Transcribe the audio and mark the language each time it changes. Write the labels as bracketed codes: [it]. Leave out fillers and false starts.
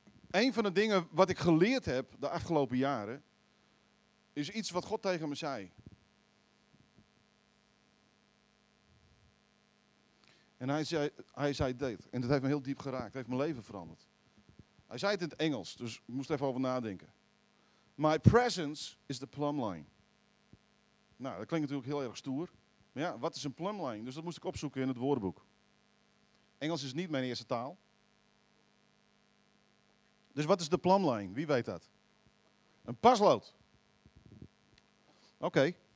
[nl] Een van de dingen wat ik geleerd heb de afgelopen jaren, is iets wat God tegen me zei. En hij zei dit. En dat heeft me heel diep geraakt. Het heeft mijn leven veranderd. Hij zei het in het Engels, dus ik moest even over nadenken. [en] My presence is the plumb line. [nl] Nou, dat klinkt natuurlijk heel erg stoer. Maar ja, wat is een plumb line? Dus dat moest ik opzoeken in het woordenboek. Engels is niet mijn eerste taal. Dus wat is de plumb line? Wie weet dat? Een paslood. Oké.